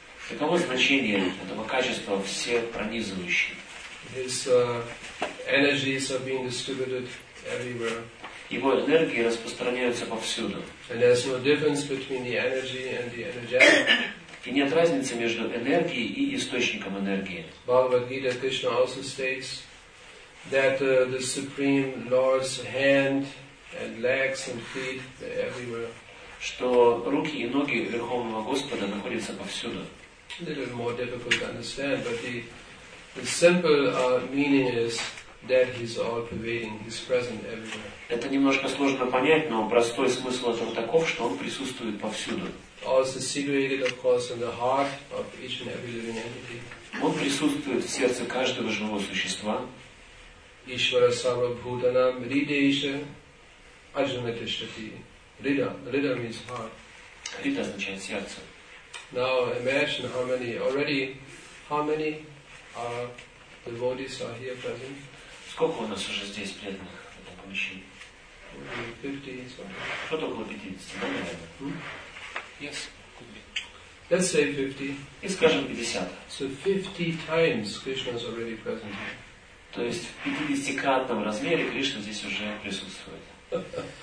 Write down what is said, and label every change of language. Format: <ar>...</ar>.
<ru>Таково значение этого качества всепронизывающий.</ru> <en>His energies are being distributed everywhere.</en> <ru>Его энергии распространяются повсюду.</ru> <en>And there's no difference between the energy and the energetic.</en> <ru>И нет разницы между энергией и источником энергии.</ru> <en>Bhagavad Gita Krishna also states that the Supreme Lord's hand and legs and feet are everywhere.</en> <ru>Что руки и ноги Верховного Господа находятся повсюду.</ru> <en>A little more difficult to understand, but the simple meaning is that He's all-pervading, He's present everywhere.</en> <ru>Это немножко сложно понять, но простой смысл этого таков, что Он присутствует повсюду.</ru> <en>Also situated, of course, in the heart of each and every living entity.</en> <ru>Он присутствует в сердце каждого живого существа.</ru> <sa>Ishvara sarvabhutanam rideisha ajnatishtati.</sa> <en>Rida means heart.</en> <ru>Rida означает сердце.</ru> <en>Now imagine how many devotees are here present.</en> <ru>Сколько у нас уже здесь преданных в этом помещении?</ru> <en>50 something.</en> <ru>Что-то около 50, да, наверное?</ru> <en>Yes. Let's say 50.</en> <ru>И скажем 50.</ru> <en>So 50 times Krishna is already present.</en> <ru>То есть в 50-кратном размере Кришна здесь уже присутствует.</ru>